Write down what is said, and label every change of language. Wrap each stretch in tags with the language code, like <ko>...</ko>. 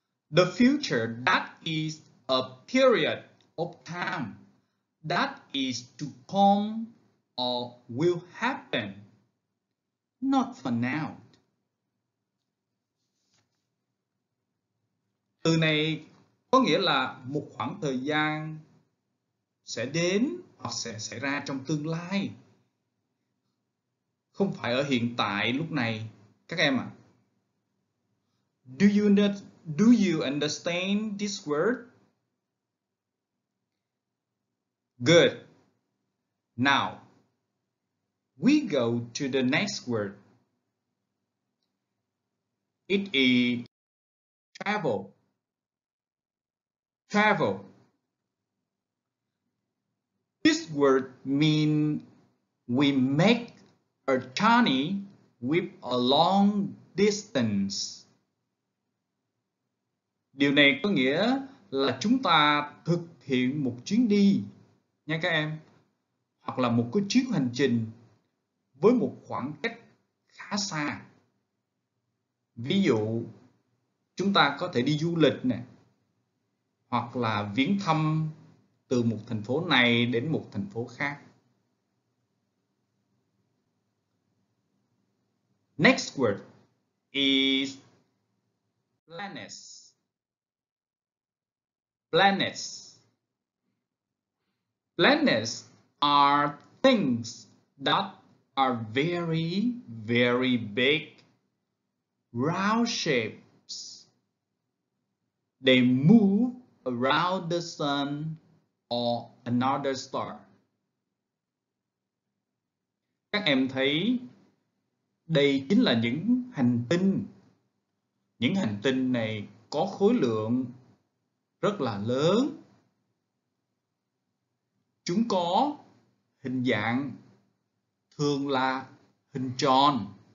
<en>The future, that is a period of time that is to come or will happen, not for now.</en> <vi>Từ này có nghĩa là một khoảng thời gian sẽ đến hoặc sẽ xảy ra trong tương lai. Không phải ở hiện tại lúc này, các em ạ.</vi> <en>Do you understand this word? Good. Now, we go to the next word. It is travel. Travel. This word mean we make a journey with a long distance.</en> <vi>Điều này có nghĩa là chúng ta thực hiện một chuyến đi nha các em, hoặc là một cái chuyến hành trình với một khoảng cách khá xa. Ví dụ, chúng ta có thể đi du lịch nè, hoặc là viếng thăm từ một thành phố này đến một thành phố khác.</vi> <en>Next word is planets. Planets. Planets are things that are very, very big, round shapes. They move around the sun or another star.</en> <vi>Các em thấy đây chính là những hành tinh. Những hành tinh này có khối lượng rất là lớn. Chúng có hình dạng thường là hình tròn.</vi>